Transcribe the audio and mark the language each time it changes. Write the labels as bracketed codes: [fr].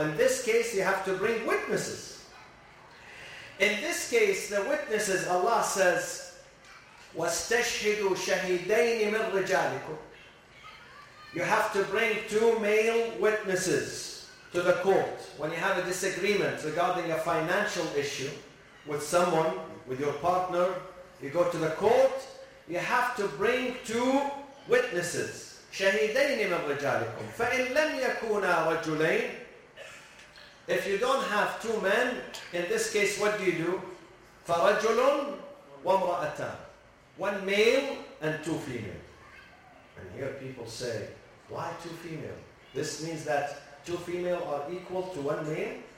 [en] In this case, you have to bring witnesses. In this case, the witnesses, Allah says, [ar] وَاسْتَشْهِدُوا شَهِدَيْنِ مِنْ رِجَالِكُمْ. [en] You have to bring two male witnesses to the court when you have a disagreement regarding a financial issue with someone, with your partner. You go to the court, you have to bring two witnesses, [ar] شهيدين من رجالكم. فإن لم يكونا رجلين, [en] if you don't have two men, in this case, what do you do? [ar] فرجل وامرأتان. [en] One male and two female. And here people say, why two female? This means that two female are equal to one male?